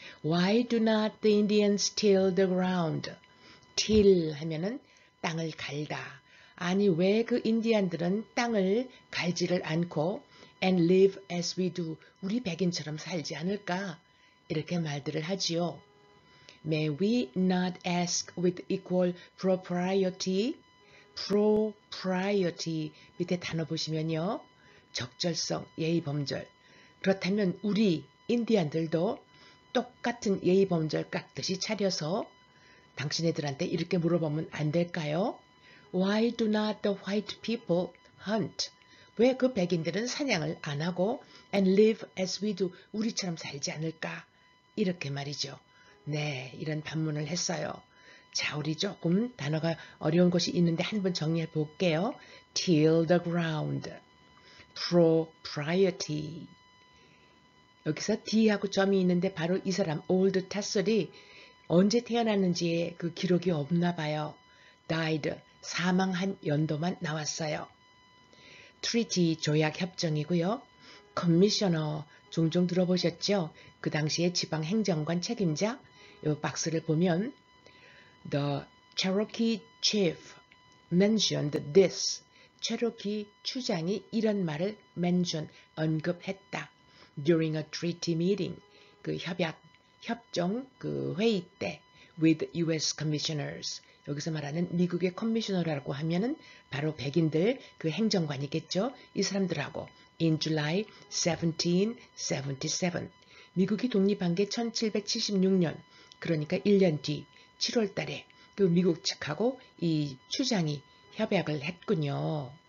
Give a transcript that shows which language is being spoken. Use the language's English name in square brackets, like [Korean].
[English] Why do not the Indians till the ground? [Korean] Till 하면은 땅을 갈다. 아니 왜 그 인디안들은 땅을 갈지를 않고 [English] and live as we do [Korean] 우리 백인처럼 살지 않을까? 이렇게 말들을 하지요. [English] May we not ask with equal propriety? [Korean] Propriety 밑에 단어 보시면요. 적절성, 예의범절. 그렇다면 우리 인디안들도 똑같은 예의범절 깎듯이 차려서 당신 애들한테 이렇게 물어보면 안 될까요? [English] Why do not the white people hunt? [Korean] 왜 그 백인들은 사냥을 안 하고 [English] and live as we do [Korean] 우리처럼 살지 않을까? 이렇게 말이죠. 네, 이런 반문을 했어요. 자, 우리 조금 단어가 어려운 것이 있는데 한번 정리해 볼게요. [English] Till the ground. Propriety. [Korean] 여기서 D하고 점이 있는데 바로 이 사람 올드 타슬이 언제 태어났는지의 그 기록이 없나 봐요. died 사망한 연도만 나왔어요. Treaty 조약 협정이고요. Commissioner 종종 들어보셨죠? 그 당시에 지방 행정관 책임자 이 박스를 보면 [English] The Cherokee Chief mentioned this. [Korean] 체로키 추장이 이런 말을 mention 언급했다. [English] During a treaty meeting, [Korean] 그 협정 그 회의 때 [English] with U.S. [Korean] commissioners 여기서 말하는 미국의 커미셔너라고 하면은 바로 백인들 그 행정관이겠죠. 이 사람들하고 [English] in July 1777 [Korean] 미국이 독립한 게 1776년 그러니까 1년 뒤 7월 달에 그 미국 측하고 이 추장이 협약을 했군요.